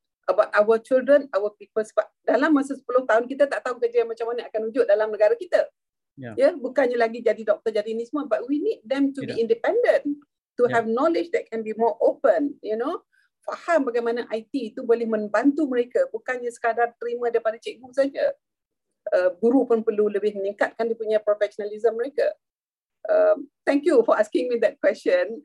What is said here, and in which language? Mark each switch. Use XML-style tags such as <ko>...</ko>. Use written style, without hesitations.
<en>About our children, our people.</en> <ms>Sebab dalam masa 10 tahun, kita tak tahu kerja macam mana akan wujud dalam negara kita.</ms> <en>Yeah.</en> <ms>Bukannya lagi jadi doktor, jadi ni semua.</ms> <en>But we need them to be independent. To have knowledge that can be more open. You know,</en> <ms>faham bagaimana IT itu boleh membantu mereka. Bukannya sekadar terima daripada cikgu saja. Guru pun perlu lebih meningkatkan dia punya professionalism mereka.</ms> <en>Thank you for asking me that question.</en>